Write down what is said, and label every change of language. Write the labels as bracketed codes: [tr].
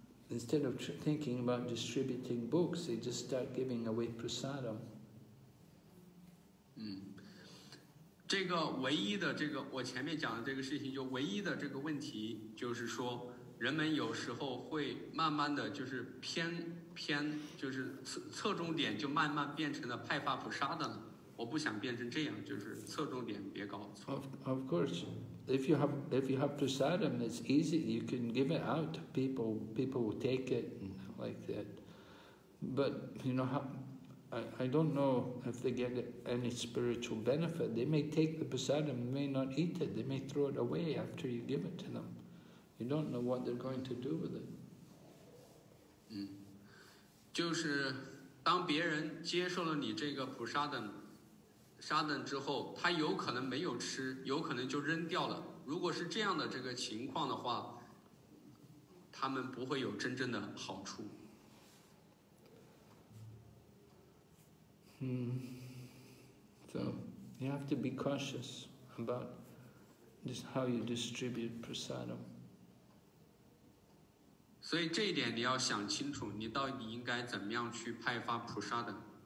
[en] Instead of thinking about distributing books, they just start giving away prasadam. [zh] 嗯，这个唯一的这个我前面讲的这个事情，就唯一的这个问题，就是说人们有时候会慢慢的就是偏，就是侧重点就慢慢变成了派发prasadam。我不想变成这样，就是侧重点别搞错。 [en] Of course, if you have prasadam, it's easy. You can give it out to people. People will take it and like that. But you know, I don't know if they get any spiritual benefit. They may take the prasadam, may not eat it. They may throw it away after you give it to them. You don't know what they're going to do with it. [zh] 嗯，就是当别人接受了你这个prasadam。沙等之后，他有可能没有吃，有可能就扔掉了。如果是这样的这个情况的话，他们不会有真正的好处。嗯。 [en] So you have to be cautious about just how you distribute prasadam. [zh] 所以这一点你要想清楚，你到底应该怎么样去派发普沙等。